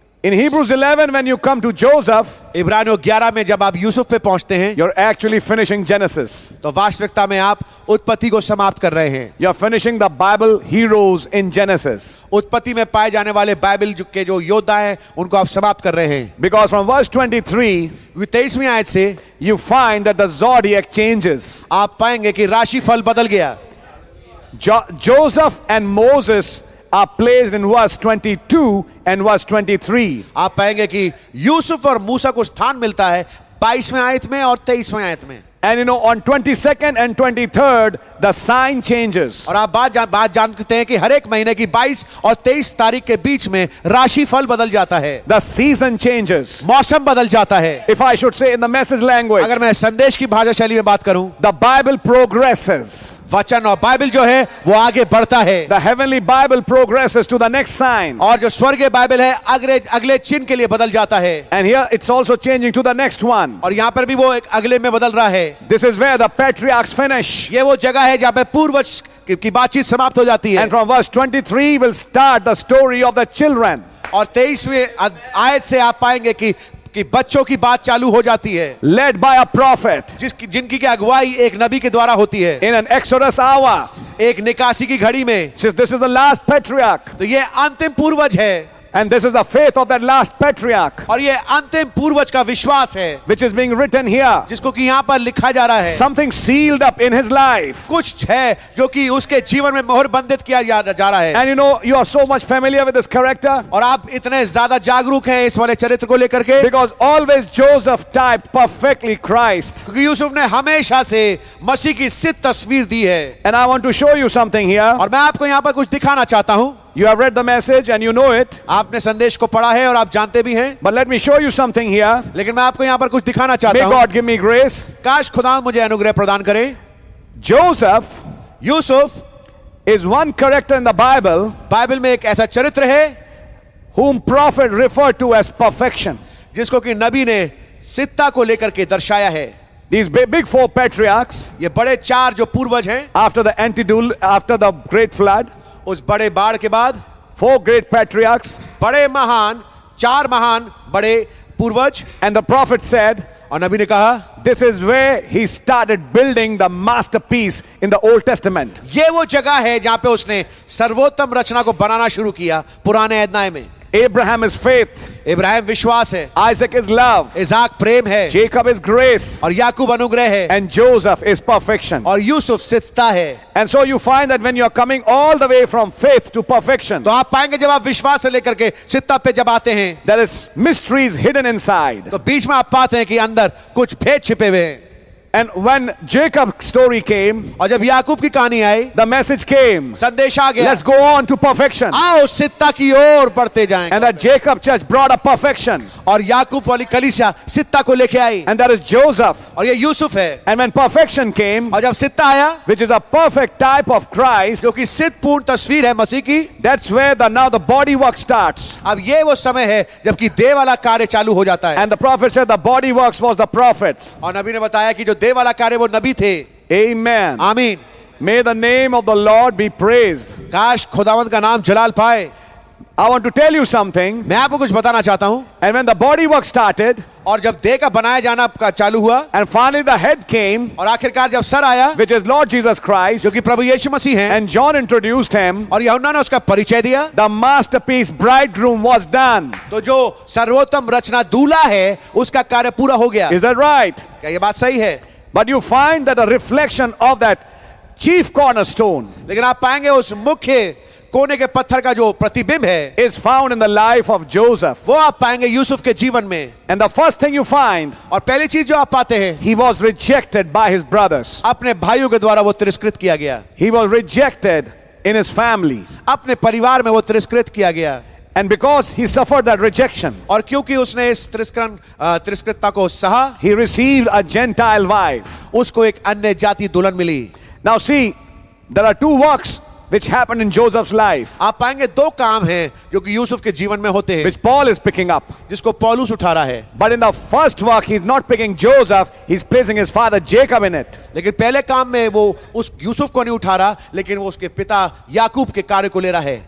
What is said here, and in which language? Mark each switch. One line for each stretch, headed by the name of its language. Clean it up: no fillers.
English: In Hebrews 11, when you come to Joseph,
Hindi: इब्रानियों 11 में जब आप यूसुफ पे पहुँचते हैं,
English: you're actually finishing Genesis.
Hindi: तो वास्तविकता में आप उत्पत्ति को समाप्त कर रहे हैं.
English: You're finishing the Bible heroes in Genesis.
Hindi: उत्पत्ति में पाए जाने वाले बाइबल के जो योद्धा हैं, उनको आप समाप्त कर रहे हैं.
English: Because from verse 23,
Hindi: 23वीं आयत से,
English: you find that the zodiac changes.
Hindi: आप पाएंगे कि राशि फल बदल गया.
English: Joseph and Moses. Are placed in verse 22 and verse 23.
Hindi: आप पाएंगे कि यूसुफ और मूसा को स्थान मिलता है 22वें आयत में और 23वें आयत में.
English: And you know, on 22nd and 23rd, the sign changes.
Hindi: और आप बात जानते हैं कि हर एक महीने की 22 और 23 तारीख के बीच में राशि फल बदल जाता है.
English: The season changes.
Hindi: मौसम बदल जाता है.
English: If I should say in the message language.
Hindi: अगर मैं संदेश की भाषा शैली में बात करूं.
English: The Bible progresses.
Hindi: वचन और बाइबल जो है वो आगे बढ़ता है
English: The heavenly Bible progresses to the next sign.
Hindi: और जो स्वर्गीय बाइबल है अगले चिन्ह के लिए बदल जाता है
English: And here it's also changing to the next one.
Hindi: और यहाँ पर भी वो एक अगले में बदल रहा है
English: This is where the patriarchs finish.
Hindi: ये वो जगह है जहाँ पे पूर्वज की बातचीत समाप्त हो जाती है
English: And from verse 23 will start the story of the children.
Hindi: और 23वें आयत से आप पाएंगे कि बच्चों की बात चालू हो जाती है
English: led by a prophet
Hindi: जिनकी की अगुवाई एक नबी के द्वारा होती है
English: in an exodus आवा
Hindi: एक निकासी की घड़ी में
English: this is the last patriarch
Hindi: तो ये अंतिम पूर्वज है
English: And this is the faith of that last patriarch.
Hindi: और ये अंतिम पूर्वज का विश्वास है,
English: which is being written here.
Hindi: जिसको कि यहाँ पर लिखा जा रहा है.
English: Something sealed up in his life.
Hindi: कुछ है जो कि उसके जीवन में मोहर बंधित किया जा रहा है.
English: And you know, you are so much familiar with this character.
Hindi: और आप इतने ज़्यादा जागरूक हैं इस वाले चरित्र को लेकर के.
English: Because always Joseph typed perfectly Christ.
Hindi: क्योंकि यूसुफ ने हमेशा से मसीह की सिद्ध तस्वीर दी है.
English: And I want to show you something here.
Hindi: और मैं आपको यहाँ पर कुछ दिखाना चाहता हूँ.
English: You have read the message and you know it.
Hindi: आपने संदेश को पढ़ा है और आप जानते भी हैं.
English: But let me show you something here.
Hindi: लेकिन मैं आपको यहाँ पर कुछ दिखाना चाहता हूँ.
English: May God give me grace.
Hindi: काश खुदा मुझे अनुग्रह प्रदान करे.
English: Joseph,
Hindi: Yusuf,
English: is one character in the Bible.
Hindi: Bible में एक ऐसा चरित्र है,
English: whom prophet referred to as perfection.
Hindi: जिसको कि नबी ने सिद्धता को लेकर के दर्शाया है.
English: These big four patriarchs.
Hindi: ये बड़े चार जो पूर्वज हैं.
English: After the great flood.
Hindi: उस बड़े बाढ़ के बाद
English: four great patriarchs
Hindi: बड़े महान चार महान बड़े पूर्वज
English: and the prophet said
Hindi: और नबी ने कहा
English: this is where he started building the masterpiece in the Old Testament
Hindi: ये वो जगह है जहां पे उसने सर्वोत्तम रचना को बनाना शुरू किया पुराने ऐदनाए में
English: Abraham is faith.
Hindi: Abraham विश्वास है.
English: Isaac is love.
Hindi: इसहाक प्रेम है.
English: Jacob is grace.
Hindi: और याकूब अनुग्रह है.
English: And Joseph is perfection.
Hindi: और यूसुफ सिद्धता है.
English: And so you find that when you are coming all the way from faith to perfection.
Hindi: तो आप पाएंगे जब आप विश्वास से लेकर के सिद्धता पे जब आते हैं.
English: There is mysteries hidden inside.
Hindi: तो बीच में आप पाते हैं कि अंदर कुछ भेद छिपे हुए हैं.
English: And when Jacob's story came,
Hindi: और जब याकूब की कहानी आई,
English: the message came,
Hindi: संदेश आ गया,
English: let's go on to perfection,
Hindi: आओ सित्ता की ओर बढ़ते जाएं,
English: and that Jacob church brought a perfection,
Hindi: और याकूब वाली कलीसिया सित्ता को लेके आई,
English: and that is Joseph,
Hindi: और ये यूसुफ है,
English: and when perfection came,
Hindi: और जब सित्ता आया,
English: which is a perfect type of Christ,
Hindi: जो कि सिद्ध पूर्ण तस्वीर है मसीह की,
English: that's where the now the body work starts,
Hindi: अब ये वो समय है जबकि देह वाला कार्य चालू हो जाता है,
English: and the prophet said the body works was the prophets,
Hindi: और नबी ने बताया कि जो देह वाला कार्य वो नबी थे.
English: Amen.
Hindi: आमीन.
English: May the name of the Lord be praised.
Hindi: काश खुदावंद का नाम जलाल पाए.
English: I want to tell you something.
Hindi: मैं आपको कुछ बताना चाहता हूँ.
English: And when the body work started,
Hindi: और जब देह का बनाया जाना आपका चालू हुआ,
English: and finally the head came,
Hindi: और आखिरकार जब सर आया,
English: which is Lord Jesus Christ,
Hindi: जो कि प्रभु यीशु मसीह हैं,
English: and John introduced him,
Hindi: और यूहन्ना ने उसका परिचय दिया,
English: the masterpiece bridegroom was done.
Hindi: तो जो सर्वोत्तम रचना दूल्हा है, उसका कार्य पूरा हो गया.
English: Is that right?
Hindi: क्या ये बात सही है?
English: But you find that a reflection of that chief cornerstone.
Hindi: लेकिन आप पाएंगे उस मुख्य कोने के पत्थर का जो प्रतिबिंब है,
English: is found in the life of Joseph.
Hindi: वो आप पाएंगे यूसुफ के जीवन में.
English: And the first thing you find,
Hindi: और पहली चीज जो आप पाते हैं,
English: he was rejected by his brothers.
Hindi: अपने भाइयों के द्वारा वो तिरस्कृत किया गया.
English: He was rejected in his family.
Hindi: अपने परिवार में वो तिरस्कृत किया गया.
English: And because he suffered that rejection,
Hindi: और क्योंकि उसने इस तिरस्कृतता को सहा,
English: he received a Gentile wife.
Hindi: उसको एक अन्य जाति दुल्हन मिली.
English: Now see, there are two works which happened in Joseph's life.
Hindi: आप पाएंगे दो काम हैं जो कि यूसुफ के जीवन में होते हैं,
English: which Paul is picking up,
Hindi: जिसको पौलुस उठा रहा है.
English: But in the first work, he's not picking Joseph, he's placing his father Jacob in it.
Hindi: लेकिन पहले काम में वो उस यूसुफ को नहीं उठा रहा, लेकिन वो उसके पिता याकूब के कार्य को ले रहा है.